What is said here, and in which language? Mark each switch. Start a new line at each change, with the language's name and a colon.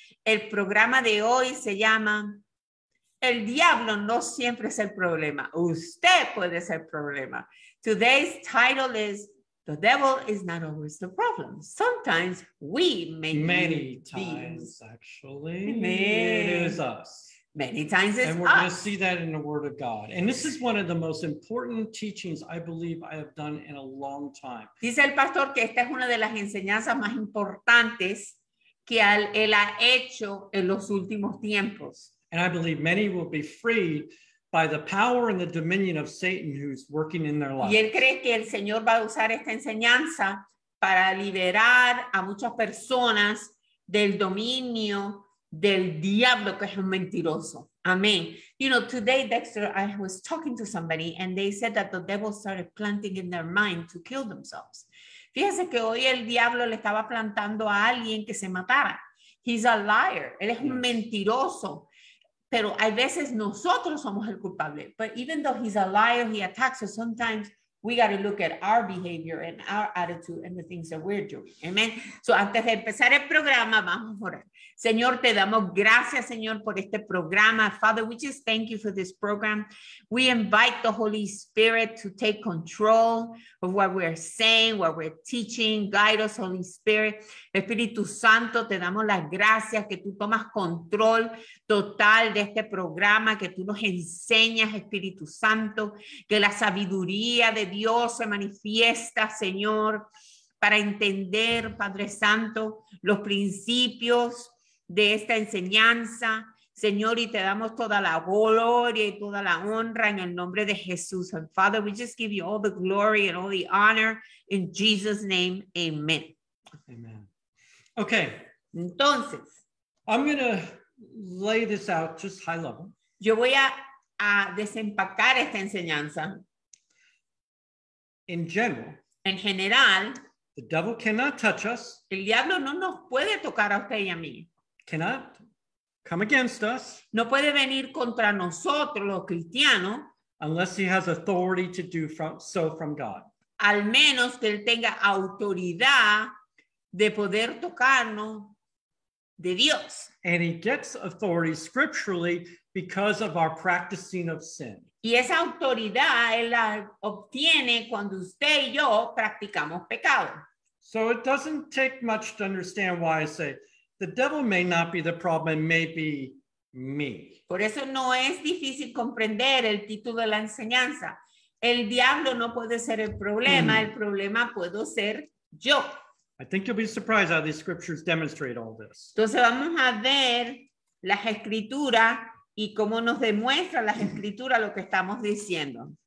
Spanish: El programa de hoy se llama El diablo no siempre es el problema. Usted puede ser el problema.
English: Today's title is The devil is not always the problem. Sometimes we may be. Many times, actually. It is us. Many times it's us. And we're going to see that in the Word of God. And this is one of the most important teachings I believe I have done in a long time.
Spanish: Dice el pastor que esta es una de las enseñanzas más importantes que él ha hecho en los últimos tiempos.
English: And I believe many will be freed by the power and the dominion of Satan who's working in their lives.
Spanish: Y él cree que el Señor va a usar esta enseñanza para liberar a muchas personas del dominio del diablo, que es un mentiroso. Amén.
English: You know, today, Dexter, I was talking to somebody and they said that the devil started planting in their mind to kill themselves.
Spanish: Fíjense que hoy el diablo le estaba plantando a alguien que se matara.
English: He's a liar.
Spanish: Él es un mentiroso. Pero a veces nosotros somos el culpable.
English: But even though he's a liar, he attacks us, sometimes we got to look at our behavior and our attitude and the things that we're doing. Amen.
Spanish: So antes de empezar el programa, vamos a orar. Señor, te damos gracias, Señor, por este programa.
English: Father, we just thank you for this program. We invite the Holy Spirit to take control of what we're saying, what we're teaching. Guide us, Holy Spirit.
Spanish: Espíritu Santo, te damos las gracias que tú tomas control total de este programa, que tú nos enseñas, Espíritu Santo, que la sabiduría de Dios se manifiesta, Señor, para entender, Padre Santo, los principios de esta enseñanza, Señor, y te damos toda la gloria y toda la honra en el nombre de Jesús.
English: And Father, we just give you all the glory and all the honor in Jesus' name. Amen. Amen. Okay.
Spanish: Entonces,
English: I'm going to lay this out just high level.
Spanish: Yo voy a desempacar esta enseñanza.
English: In general,
Spanish: en general,
English: the devil cannot touch us.
Spanish: El diablo no nos puede tocar a usted y a mí.
English: Cannot come against us.
Spanish: No puede venir contra nosotros, los cristianos.
English: Unless he has authority to do so from God.
Spanish: Al menos que él tenga autoridad de poder tocarnos de Dios.
English: And he gets authority scripturally because of our practicing of sin.
Spanish: Y esa autoridad él la obtiene cuando usted y yo practicamos pecado.
English: So it doesn't take much to understand why I say the devil may not be the problem, maybe me.
Spanish: Por eso no es difícil comprender el título de la enseñanza. El diablo no puede ser el problema, el problema puedo ser yo.
English: I think you'll be surprised how these scriptures demonstrate all this.
Spanish: Entonces vamos a ver las escrituras y cómo nos demuestra las escrituras lo que estamos diciendo.